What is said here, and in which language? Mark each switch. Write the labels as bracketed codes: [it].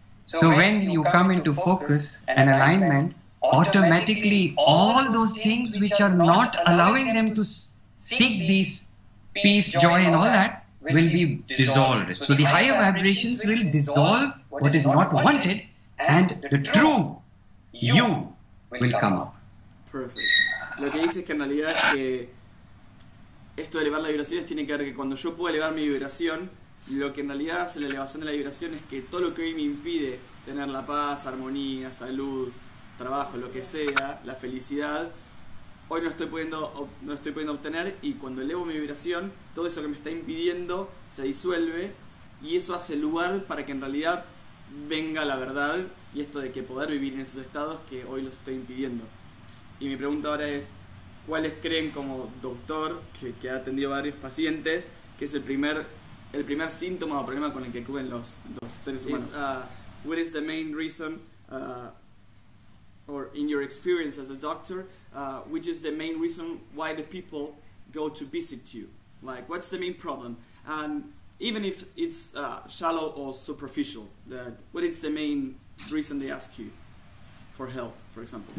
[en] So when you come into focus and alignment, automatically all those things which are not allowing them to seek these peace, joy and all that will be dissolved. So the higher vibrations will dissolve what is not wanted and the true you will come up. Perfect. [es] Lo que dice es que en realidad es que esto de elevar las vibraciones tiene que ver que cuando yo puedo elevar mi vibración, lo que en realidad hace la elevación de la vibración es que todo lo que hoy me impide tener la paz, armonía, salud, trabajo, lo que sea, la felicidad, hoy no estoy pudiendo obtener, y cuando elevo mi vibración, todo eso que me está impidiendo se disuelve y eso hace lugar para que en realidad venga la verdad y esto de que poder vivir en esos estados que hoy los estoy impidiendo. Y mi pregunta ahora es, ¿cuáles creen como doctor que ha atendido varios pacientes que es el primer síntoma o problema con el que acuden los seres humanos? [en] What is the main reason or in your experience as a doctor, which is the main reason why the people go to visit you? Like, what's the main problem? And even if it's shallow or superficial, that what is the main reason they ask you for help, for example?